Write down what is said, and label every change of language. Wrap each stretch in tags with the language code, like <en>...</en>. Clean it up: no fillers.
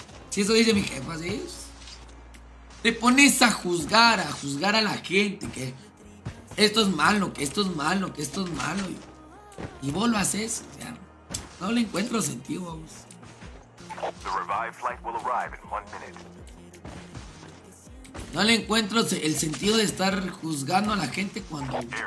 <es>Si eso dice mi jefa, ¿sí? Te pones a juzgar a la gente. Que esto es malo, que esto es malo, que esto es malo. Y vos lo haces. O sea, no le encuentro sentido, vamos.</es> <en>The revived flight will arrive in 1 minute.</en> <es>No le encuentro el sentido de estar juzgando a la gente cuando...</es>